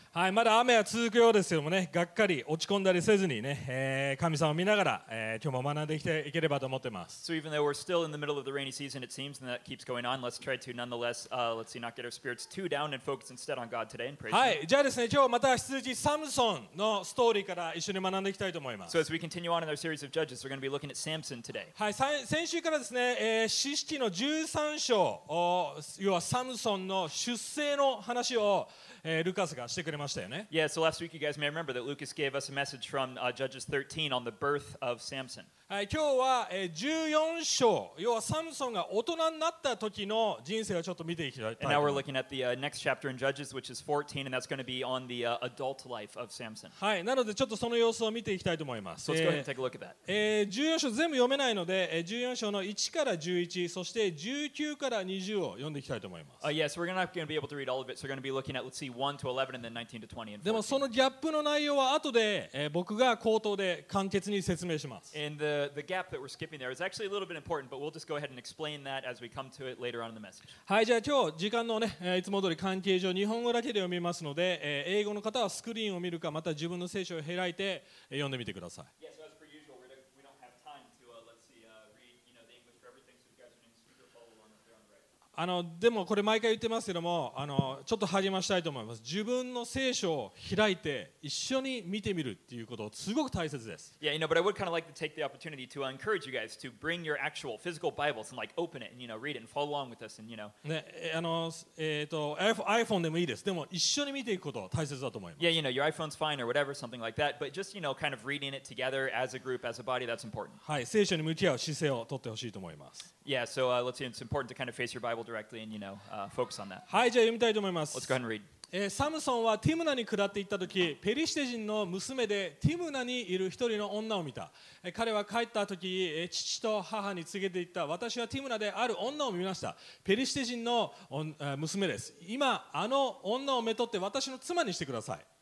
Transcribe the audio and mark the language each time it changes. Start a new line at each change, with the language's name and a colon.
Japanese: はい、まだ雨は続くようですけどもね、がっかり落ち込んだりせずにね、神様を見ながら、今日も学んできていければと思ってます。
English: So even though we're still in the middle of the rainy season, it seems, and that keeps going on, let's try to nonetheless, let's see, not get our spirits too down and focus instead on God today and praise Him.
Japanese: はい、じゃあですね、今日また羊サムソンのストーリーから一緒に学んでいきたいと思います。
English: So as we continue on in our series of Judges, we're going to be looking at Samson today.
Japanese: はい、先週からですね、四式の十三章、要はサムソンの出生の話
English: Yeah, so last week you guys may remember that Lucas gave us a message from Judges 13 on the birth of Samson.
Japanese: はい、今日は14章、要はサムソンが大人になった時の人生をちょっと見ていきたいと思います。
English: And now we're looking at the next chapter in Judges, which is 14, and that's going to be on the adult life of Samson.
Japanese: はい、なのでちょっとその様子を見ていきたいと思います。
English: So let's go ahead and take a look at that.
Japanese: 14章全部読めないので、14章の1から11、そして19から20を読んでいきたいと思います。
English: Yeah, so we're not going to be able to read all of it, so we're going to be looking at, let's see, 1 to 11 and then 19 to 20 and 14.
Japanese: でもそのギャップの内容は後で、僕が口頭で簡潔に説明します。
English: The gap that we're skipping there is actually a little bit important, but we'll just go ahead and explain that as we come to it later on in the message.
Japanese: はい、じゃあ今日時間のね、いつも通り関係上日本語だけで読みますので、英語の方はスクリーンを見るか、また自分の聖書を開いて読んでみてください。
English: Yes, so as per usual, we don't have time to read, you know, the English for everything, so you guys can just follow along if you're on the right.
Japanese: でもこれ毎回言ってますけども、ちょっと励ましたいと思います。自分の聖書を開いて一緒に見てみるっていうことすごく大切です。
English: Yeah, you know, but I would kind of like to take the opportunity to encourage you guys to bring your actual physical Bibles and like open it and you know read it and follow along with us and you know.
Japanese: ね、iPhone でもいいです。でも一緒に見ていくことは大切だと思います。
English: Yeah, you know, your iPhone's fine or whatever, something like that, but just you know kind of reading it together as a group, as a body, that's important.
Japanese: はい、聖書に向き合う姿勢を取ってほしいと思います。
English: Yeah, so let's see, it's important to kind of face your Bible directly and you know focus on that.
Japanese: はい、じゃあ読みたいと思います。
English: Let's go ahead and read.
Japanese: サムソンはティムナに下っていった時、ペリシテ人の娘でティムナにいる一人の女を見た。彼は帰った時、父と母に告げていった。私はティムナである女を見ました。ペリシテ人の娘です。今、あの女をめとって私の妻にしてください。